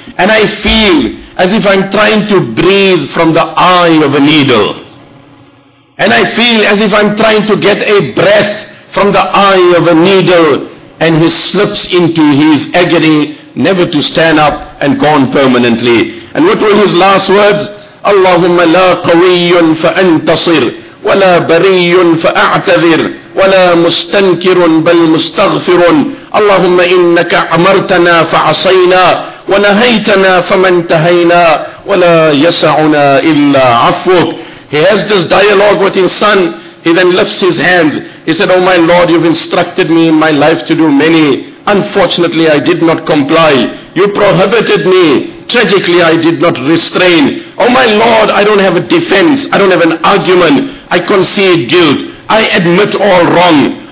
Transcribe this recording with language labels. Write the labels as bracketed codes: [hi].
[en] And I feel as if I'm trying to breathe from the eye of a needle. And I feel as if I'm trying to get a breath from the eye of a needle. And he slips into his agony, never to stand up and gone permanently. And what were his last words? [ar] اللهم لا قوي فأنتصر ولا بري فأعتذر ولا مستنكر بل مستغفر. اللهم إنك أمرتنا فعصينا ونهيتنا فمن تهينا ولا يسعنا إلا عفوك. [en] He has this dialogue with his son. He then lifts his hands. He said, oh my Lord, you've instructed me in my life to do many. Unfortunately, I did not comply. You prohibited me. Tragically, I did not restrain. Oh my Lord, I don't have a defense. I don't have an argument. I concede guilt. I admit all wrong.